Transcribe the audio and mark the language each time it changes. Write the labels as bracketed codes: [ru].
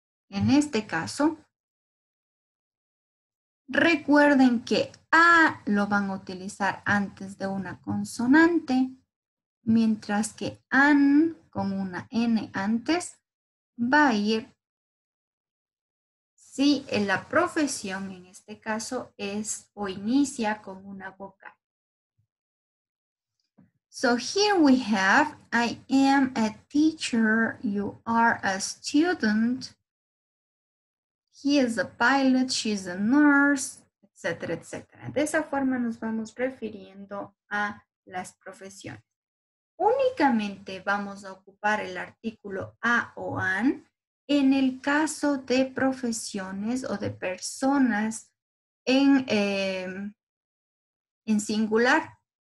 [es] En este caso, recuerden que a lo van a utilizar antes de una consonante. Mientras que an, con una n antes, va a ir si en la profesión, en este caso, es o inicia con una vocal. [en] So here we have, I am a teacher, you are a student, he is a pilot, she is a nurse, etc., etc. [es] De esa forma nos vamos refiriendo a las profesiones. Únicamente vamos a ocupar el artículo a o an en el caso de profesiones o de personas en singular.